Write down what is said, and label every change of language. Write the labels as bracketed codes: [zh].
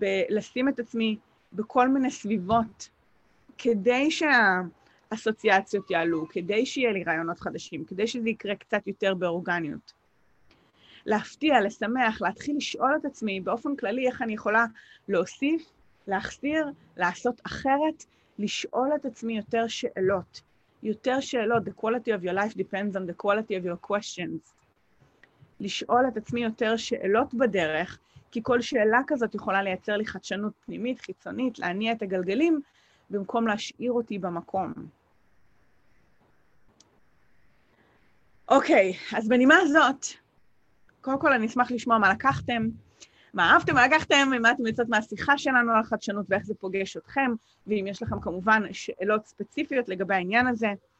[he] לשים את עצמי בכל מיני סביבות, כדי שהאסוציאציות יעלו, כדי שיהיה לי רעיונות חדשים, כדי שזה יקרה קצת יותר באורגניות. להפתיע, לשמח, להתחיל לשאול את עצמי באופן כללי איך אני יכולה להוסיף, להחסיר, לעשות אחרת, לשאול את עצמי יותר שאלות. יותר שאלות, [en] the quality of your life depends on the quality of your questions. [he] לשאול את עצמי יותר שאלות בדרך, כי כל שאלה כזאת יכולה לייצר לי חדשנות פנימית, חיצונית, להניע את הגלגלים, במקום להשאיר אותי במקום. אוקיי, אז בנימה הזאת, קודם כל אני אשמח לשמוע מה לקחתם, מה אהבתם, מה לקחתם, ומה אתם יוצאות מהשיחה שלנו על החדשנות, ואיך זה פוגש אתכם, ואם יש לכם כמובן שאלות ספציפיות לגבי העניין הזה.